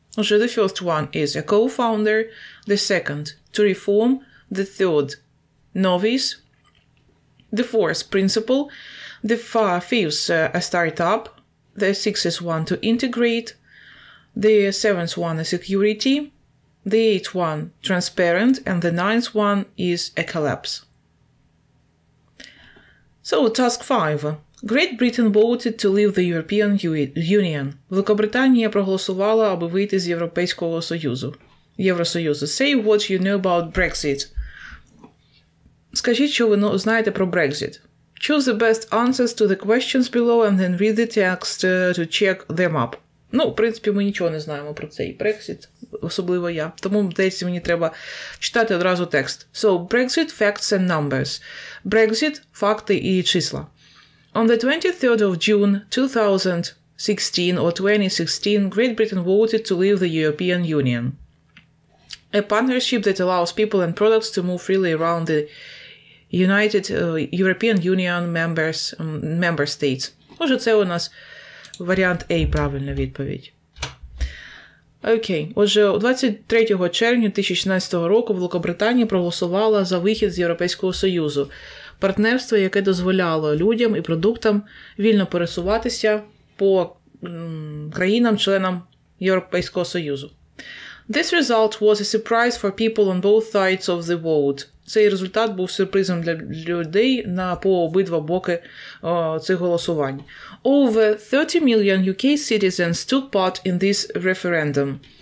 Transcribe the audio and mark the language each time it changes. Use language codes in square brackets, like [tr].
[en] Отже, the first one is a co-founder, the second, to reform, the third, novice, the fourth, principal, the fifth, a startup, the sixth is one, to integrate, the seventh one, a security, the eighth one, transparent, and the ninth one is a collapse. So, task 5. Great Britain voted to leave the European Union. [uk] Великобританія проголосувала, аби вийти з Європейського Союзу. Євросоюзу. [en] Say what you know about Brexit. [uk] Скажіть, що ви знаєте про Brexit. [en] Choose the best answers to the questions below and then read the text to check them up. [uk] Ну, в принципі, ми нічого не знаємо про цей Brexit, особливо я. Тому, здається, мені треба читати одразу текст. [en] So, Brexit, facts and numbers. [uk] Brexit – факти і числа. [en] On the 23rd of June 2016 or 2016, Great Britain voted to leave the European Union. A partnership that allows people and products to move freely around the United European Union members, member states. [uk] Може, це у нас варіант A, правильна відповідь. Окей. Отже, 23 червня 2016 року Великобританія проголосувала за вихід з Європейського Союзу. Партнерство, яке дозволяло людям і продуктам вільно пересуватися по країнам-членам Європейського Союзу. [en] This result was a surprise for people on both sides of the vote. [uk] Цей результат був сюрпризом для людей по обидва боки цих голосувань. [en] Over 30 million UK citizens took part in this referendum.